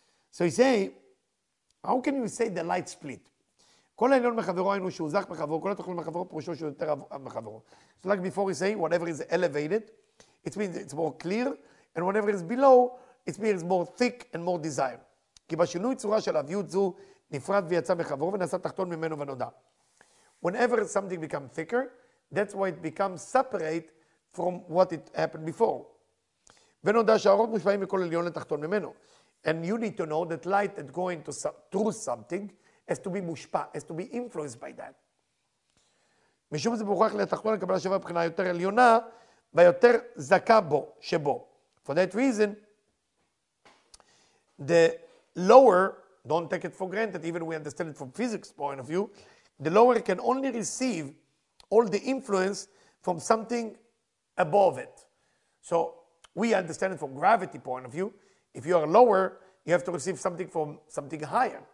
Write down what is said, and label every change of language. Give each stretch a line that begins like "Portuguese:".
English: So he say, how can you say the light split?
Hebrew: כל העליון מחברו היינו שהוא זך מחברו, כל התוכל מחברו פרושו שהוא יותר מחברו.
English: So like before he say, whatever is elevated, it means it's more clear, and whatever is below, it means it's more thick and more desire.
Hebrew: כי בשינוי צורה של אביות זו, נפרד ויצא מחברו ונעשה תחתון ממנו ונודע.
English: Whenever something becomes thicker, that's why it becomes separate from what it happened before.
Hebrew: ונודע שהאורות מושפעים מכל עליון לתחתון ממנו.
English: And you need to know that light that going to through something, has to be mushpa, has to be influenced by that.
Hebrew: משום זה מוכרח לתחתון לקבל השווה מבחינה יותר עליונה, ויותר זקה בו שבו.
English: For that reason, the lower, don't take it for granted, even we understand it from physics point of view, the lower can only receive all the influence from something above it. So we understand it from gravity point of view. If you are lower, you have to receive something from something higher.